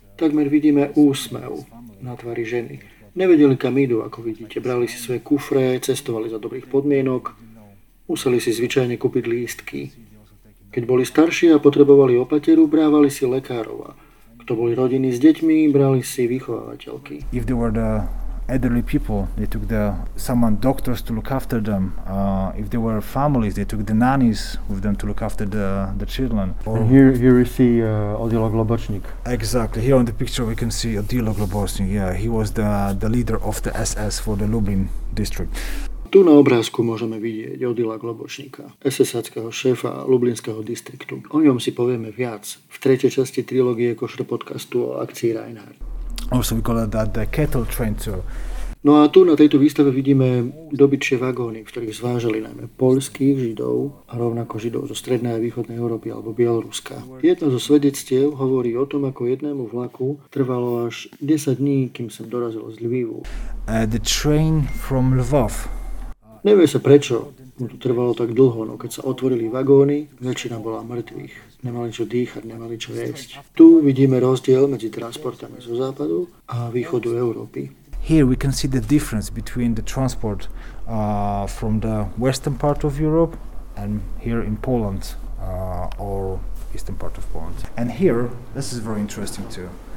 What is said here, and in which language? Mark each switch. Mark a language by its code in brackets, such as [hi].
[sk] Takmer vidíme úsmev na tvári ženy. Nevedeli, kam idú, ako vidíte. Brali si svoje kufre, cestovali za dobrých podmienok, museli si zvyčajne kúpiť lístky. Keď boli starší a potrebovali opateru, brávali si lekárov. Kto boli rodiny s deťmi, brali si vychovávateľky. [en] If they were the elderly people, they took the someone doctors to look after them. If they were families, they took the nannies with them to look after the children. And here you see Odilo Globočník. Exactly. Here on the picture we can see Odilo Globočník. Yeah, he was the leader of the SS for the Lublin district. [sk] Tu na obrázku môžeme vidieť Odila Globočníka, SS-ackého šéfa Lublinského distriktu. O ňom si povieme viac v tretej časti trilógie Košer podcastu o akcii Reinhardt. [en] Also we call that the cattle train too. [sk] No a tu na tejto výstave vidíme dobytšie vagóny, v ktorých zvážali najmä poľských Židov a rovnako Židov zo strednej a východnej Európy alebo Bieloruska. Jedno zo svedectiev hovorí o tom, ako jednému vlaku trvalo až 10 dní, kým sem dorazilo z Lvivu. [en] The train from Lvov. [sk] Nevie sa prečo mu to trvalo tak dlho, no keď sa otvorili vagóny, väčšina bola mŕtvych. Nemali čo dýchať, nemali čo jesť. Tu vidíme rozdiel medzi transportami zo západu a východu Európy. [en] Here we can see the difference between the transport from the western part of Europe and here in Poland or eastern part of Poland. And here, this is very interesting too.